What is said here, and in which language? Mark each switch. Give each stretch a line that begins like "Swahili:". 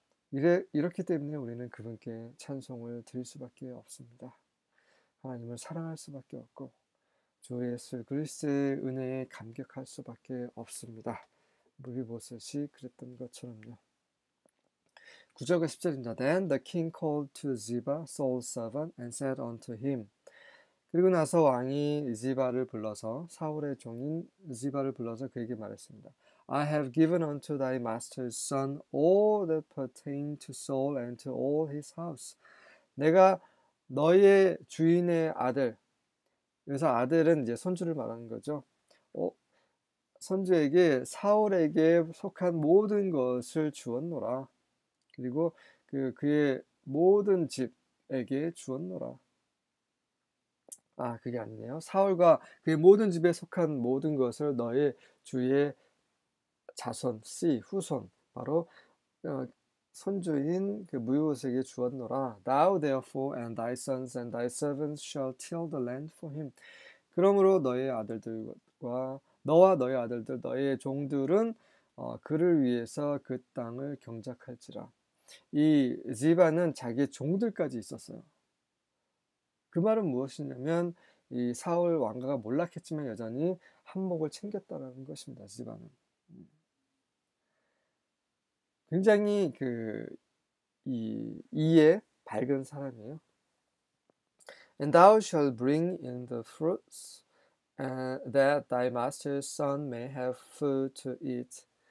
Korean: 이렇기 때문에 우리는 그분께 찬송을 드릴 수밖에 없습니다. 하나님을 사랑할 수밖에 없고 주 예수 그리스도의 은혜에 감격할 수밖에 없습니다. 므비보셋이 그랬던 것처럼요. 9절과 10절입니다.
English: Then the king called to Ziba, Saul's servant, and said unto him.
Korean: 그리고 나서 왕이 지바를 불러서 사울의 종인 지바를 불러서 그에게 말했습니다.
English: I have given unto thy master's son all that pertain to Saul and to all his house.
Korean: 내가 너의 주인의 아들, 여기서 아들은 이제 손주를 말하는 거죠. 손주에게 사울에게 속한 모든 것을 주었노라. 그리고 그의 모든 집에게 주었노라. 아, 그게 아니네요. 사울과 그의 모든 집에 속한 모든 것을 너의 주의 자손, 씨, 후손, 바로 선조인 그 무효세에게 주었노라.
English: Thou therefore and thy sons and thy servants shall till the land for him.
Korean: 그러므로 너의 아들들과 너와 너의 아들들, 너의 종들은 그를 위해서 그 땅을 경작할지라. 이 지바는 자기 종들까지 있었어요. 그 말은 무엇이냐면 이 사울 왕가가 몰락했지만 여전히 한몫을 챙겼다는 것입니다. 지바는. 굉장히 이에 밝은 사람이에요.
English: And thou shalt bring in the fruits that thy master's son may have food to eat.